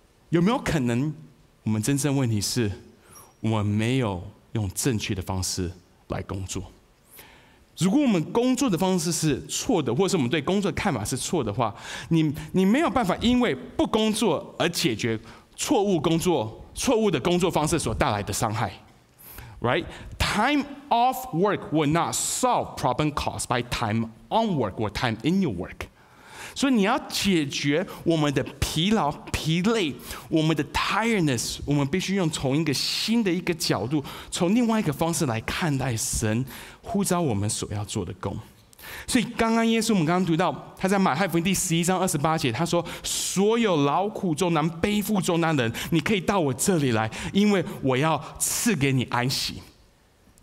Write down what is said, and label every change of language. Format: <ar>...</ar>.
<zh>有没有可能我们真正问题是我们没有用正确的方式来工作？如果我们工作的方式是错的，或者是我们对工作的看法是错的话，你没有办法因为不工作而解决错误工作、错误的工作方式所带来的伤害。</zh> <en>right? Time off work will not solve problem caused by time on work or time in your work.</en> <zh>所以你要解决我们的疲劳、疲累，我们的 tiredness， 我们必须用从一个新的一个角度，从另外一个方式来看待神呼召我们所要做的工。所以刚刚耶稣，我们刚刚读到他在马太福音第十一章二十八节，他说：“所有劳苦重担、背负重担的人，你可以到我这里来，因为我要赐给你安息。”</zh>